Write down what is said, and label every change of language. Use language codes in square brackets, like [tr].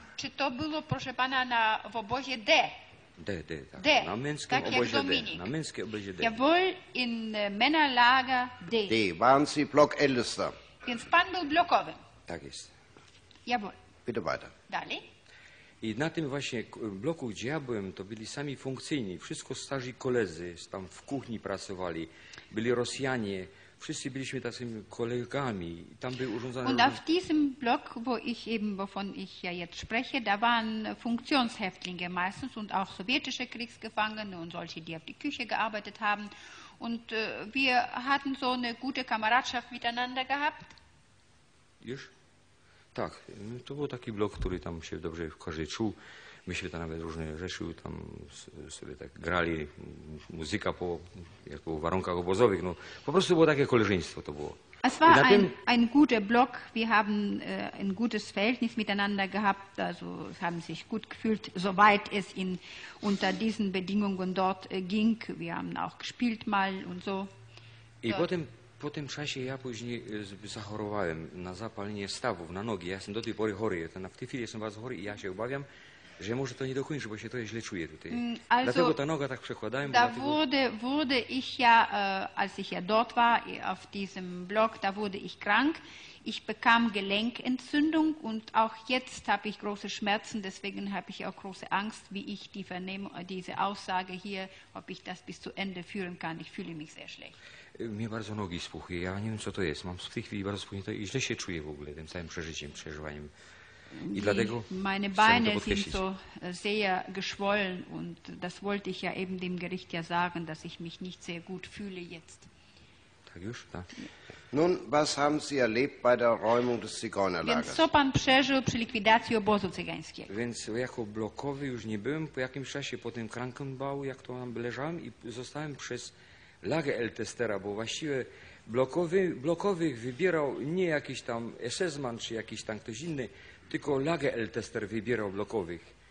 [pl] Czy to było, proszę pana, w obozie D? D, tak. Na męskim obozie D. Na męskim obozie D. [de] Jawohl, in Männerlager D. D, waren Sie Blockältester. [pl] Więc pan był blokowym. Tak jest. [de] Jawohl. Bitte weiter. [pl] Dalej. I na tym właśnie bloku, gdzie ja byłem, to byli sami funkcyjni. Wszystko starzy koledzy tam w kuchni pracowali. Byli Rosjanie. Wszyscy byliśmy tacymi kolegami. Tam były urządzane... [de] Und auf diesem Block, wo ich eben, wovon ich ja jetzt spreche, da waren Funktionshäftlinge meistens und auch sowjetische Kriegsgefangene und solche, die auf die Küche gearbeitet haben. Und wir hatten so eine gute Kameradschaft miteinander gehabt. [pl] Już? Tak, to był taki blok, który tam się dobrze w każdy czuł. Myśmy tam nawet różne rzeczy tam sobie tak grali, muzyka po warunkach obozowych. No, po prostu było takie koleżeństwo to było. [de] Es war ein guter Block, wir haben ein gutes Verhältnis miteinander gehabt, also haben sich gut gefühlt, soweit es in, unter diesen Bedingungen dort ging. Wir haben auch gespielt mal und so. [pl] I po tym czasie ja później zachorowałem na zapalenie stawów, na nogi. Ja jestem do tej pory chory, w tej chwili jestem bardzo chory i ja się obawiam, że może to nie dokończy, bo się to źle czuje tutaj. [de] Also, [pl] dlatego ta noga tak przekładałem. [de] Da wurde ich ja, als ich ja dort war, auf diesem Block, da wurde ich krank. Ich bekam Gelenkentzündung und auch jetzt habe ich große Schmerzen. Deswegen habe ich auch große Angst, wie ich die Vernehmung, diese Aussage hier, ob ich das bis zu Ende führen kann. Ich fühle mich sehr schlecht. [pl] Mnie bardzo nogi spuchły. Ja nie wiem, co to jest. Mam w tej chwili bardzo spuchnięte i źle się czuję w ogóle tym całym przeżyciem, przeżywaniem. I dlatego [de] meine Beine sind so sehr geschwollen und das wollte ich ja eben dem Gericht ja sagen, dass ich mich nicht sehr gut fühle jetzt. [pl] Tak już, tak. [de] Nun, was haben Sie erlebt bei der Räumung des Zigeunerlagers? [pl] Więc co pan przeżył przy likwidacji obozu cygańskiego? Więc jako blokowy już nie byłem, po jakimś czasie po tym Krankenbau, jak to tam leżałem i zostałem przez Lageältestera, bo właściwie blokowych wybierał nie jakiś tam SS-man czy jakiś tam ktoś inny, tylko Lageältester wybierał blokowych.